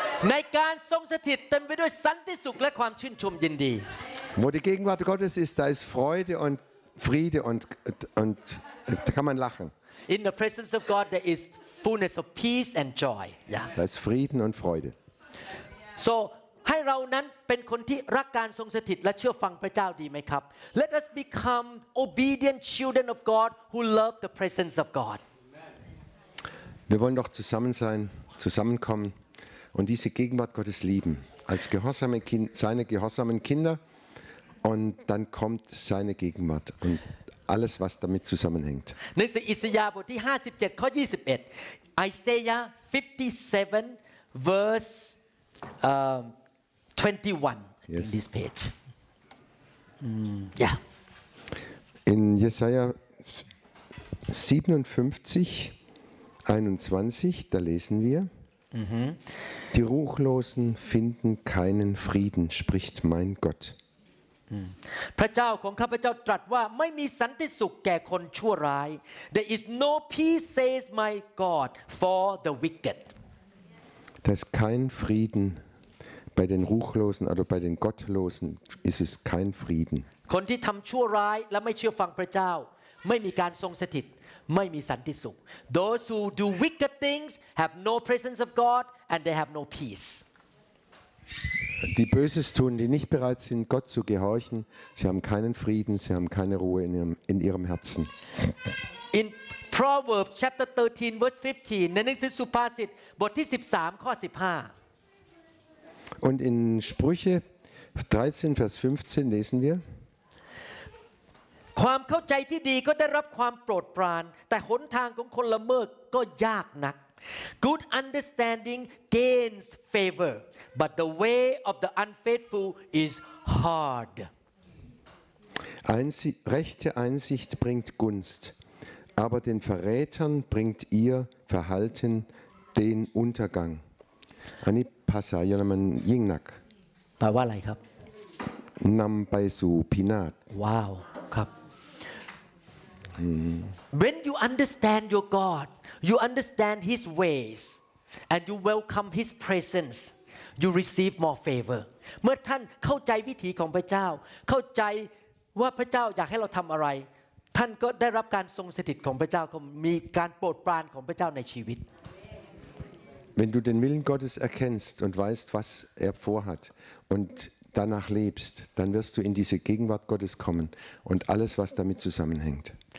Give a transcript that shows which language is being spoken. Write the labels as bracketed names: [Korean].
[Thai] ในการทรงสถิตเต็มไปด้วยสันติสุขและความชื่นชมยินดี [German] Wo die Gegenwart Gottes ist, da ist Freude und Friede und kann man lachen. [English] In the presence of God there is fullness of peace and joy. [German] Yeah. Da ist Frieden und Freude. [Thai] So ให้เรานั้นเป็นคนที่รักการทรงสถิตและเชื่อฟังพระเจ้าดีไหมครับ [English] Let us become obedient children of God who love the presence of God. [German] Wir wollen doch zusammen sein, zusammenkommen und diese Gegenwart Gottes lieben als gehorsame Kind, seine gehorsamen Kinder und dann kommt seine Gegenwart und alles was damit zusammenhängt. [Thai] ในอิสยาห์บทที่57ข้อ21 [English] Isaiah 57 verse 21 yes. in this page. Yeah. [German] In Jesaja 57, 21, da lesen wir: mm-hmm. Die Ruchlosen finden keinen Frieden, spricht mein Gott. [Thai] พระเจ้าของข้าพเจ้าตรัสว่าไม่มีสันติสุขแก่คนชั่วร้าย [English] There is no peace, says my God, for the wicked. [German] Da ist kein Frieden. Bei den Ruchlosen oder bei den Gottlosen ist es kein Frieden. [Thai] คนที่ทำชั่วร้ายและไม่เชื่อฟังพระเจ้าไม่มีการทรงสถิตไม่มีสันติสุข [English] Those who do wicked things have no presence of God and they have no peace. [German] Die Böses tun, die nicht bereit sind, Gott zu gehorchen, sie haben keinen Frieden, sie haben keine Ruhe in ihrem Herzen. [English] In Proverbs chapter 13 verse 15, [Thai] ในหนังสือสุภาษิตบทที่13ข้อ15 [German] Und in Sprüche 13, Vers 15 lesen wir: [Thai] ความเข้าใจที่ดีก็ได้รับความโปรดปรานแต่หนทางของคนละเมิดก็ยากนัก [English] Good understanding gains favor, but the way of the unfaithful is hard. [German] Rechte Einsicht bringt Gunst, aber den Verrätern bringt ihr Verhalten den Untergang. [Thai] Eine ภาษาเยอรมันยิ่งหนัก แปลว่าอะไรครับ นำไปสู่พินาศ ว้าวครับ [English] When you understand your God you understand His ways and you welcome His presence you receive more favor [Thai] เมื่อท่านเข้าใจวิธีของพระเจ้าเข้าใจว่าพระเจ้าอยากให้เราทำอะไรท่านก็ได้รับการทรงสถิตของพระเจ้าก็มีการโปรดปรานของพระเจ้าในชีวิต [German] Wenn du den Willen Gottes erkennst und weißt, was er vorhat und danach lebst, dann wirst du in diese Gegenwart Gottes kommen und alles, was damit zusammenhängt.